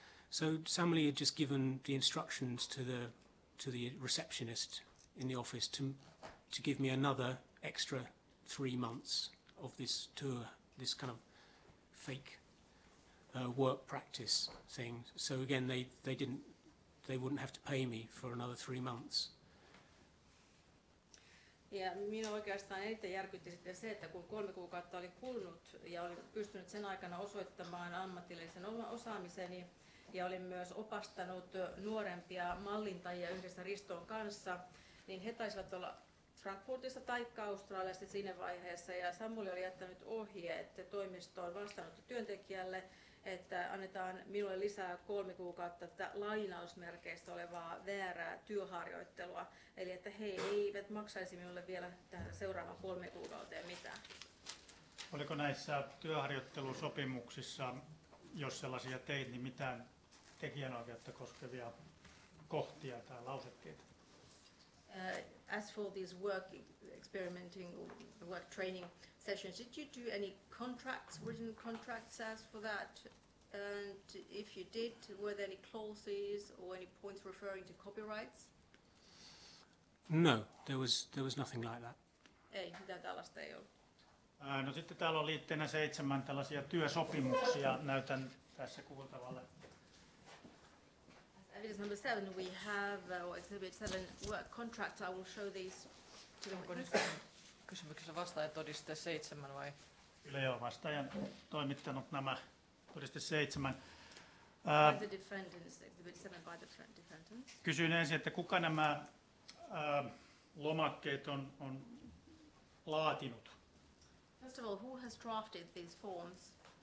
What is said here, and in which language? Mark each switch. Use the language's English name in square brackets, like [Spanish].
[English] So Samuli had just given the instructions to the receptionist in the office to give me another extra 3 months of this tour, this kind of fake work practice thing. So again, they wouldn't have to pay me for another 3 months. [Finnish] Ja minua oikeastaan eniten järkytti sitten se, että kun 3 kuukautta oli kulunut ja olin pystynyt sen aikana osoittamaan ammatillisen osaamiseni ja olin myös opastanut nuorempia mallintajia yhdessä Riston kanssa, niin he taisivat olla Frankfurtista taikka Australiasta siinä vaiheessa, ja Samuli oli jättänyt ohjeet toimistoon vastaanottotyöntekijälle, että annetaan minulle lisää 3 kuukautta tätä lainausmerkeistä olevaa väärää työharjoittelua. Eli että he eivät maksaisi minulle vielä tähän seuraavaan 3 kuukauteen mitään. Oliko näissä työharjoittelusopimuksissa, jos sellaisia teit, niin mitään tekijänoikeutta koskevia kohtia tai lausekkeita? [English] As for these work experimenting, work training sessions, did you do any contracts, written contracts as for that? And if you did, were there any clauses or any points referring to copyrights? No, there was nothing like that. [Finnish] Ei, mitään tällaista ei ollut. No sitten täällä on liitteenä 7 tällaisia työsopimuksia. Näytän tässä kuultavalle. [English] Evidence number 7, we have, or exhibit 7, work contracts. I will show these to the witness. [Finnish] Kysymyksessä vastaajatodiste 7 vai? Kyllä joo, vastaajan toimittanut nämä todiste 7. [English] The defendants, exhibit 7 by the defendants. [Finnish] Kysyin ensin, että kuka nämä lomakkeet on laatinut? [English] First of all, who has drafted these forms?